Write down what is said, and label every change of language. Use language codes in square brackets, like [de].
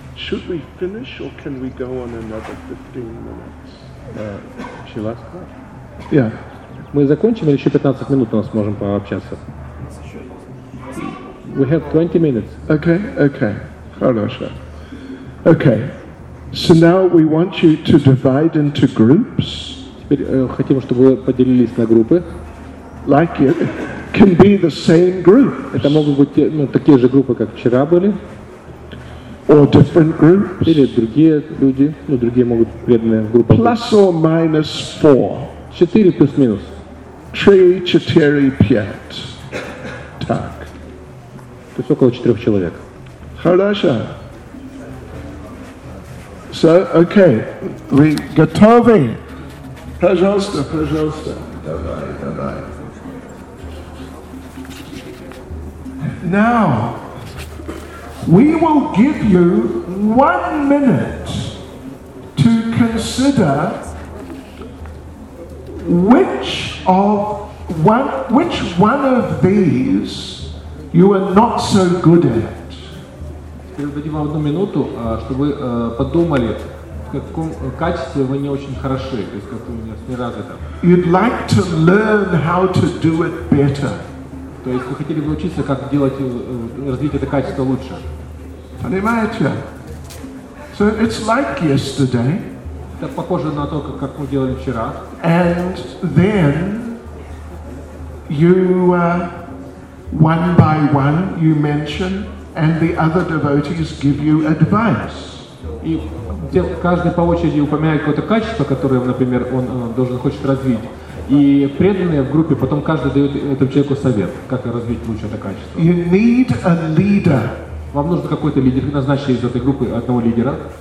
[en] Should we finish or can we go on another 15 minutes? [ru] Еще вас? [en] Yeah. [ru] Мы закончим или еще 15 минут у нас можем пообщаться? [en] We have 20 minutes. Okay, okay. [ru] Хорошо. [en] Okay. So now we want you to divide into groups. [ru] Хотим, чтобы вы поделились на группы. [en] Like it can be the same group. [ru] Это могут быть, ну, такие же группы, как вчера были. [en] Or different groups. [ru] Или другие люди, ну, другие могут быть преданные группы. [en] Plus or minus four. [ru] Четыре плюс-минус. Три, четыре, пять. Так. То есть около четырех человек. Хорошо. [en] So, okay. We [ru] готовы. Пожалуйста, пожалуйста. Давай, давай. [en] Now, we will give you 1 minute to consider which one of these you are not so good at. [ru] Теперь дадим вам 1 минуту, чтобы подумали, в каком качестве вы не очень хороши, то есть как у меня не развито. [en] You'd like to learn how to do it better. [ru] То есть вы хотели бы научиться, как делать, развить это качество лучше. Понимаете? [en] So it's like yesterday. [ru] Это похоже на то, как мы делали вчера. [en] And then you one by one you mention, and the other devotees give you advice. [ru] И каждый по очереди упоминает какое-то качество, которое, например, он должен хочет развить. И преданные в группе, потом каждый дает этому человеку совет, как развить лучше это качество. [en] You need a leader. [ru] Вам нужен какой-то лидер. Назначьте из этой группы одного лидера.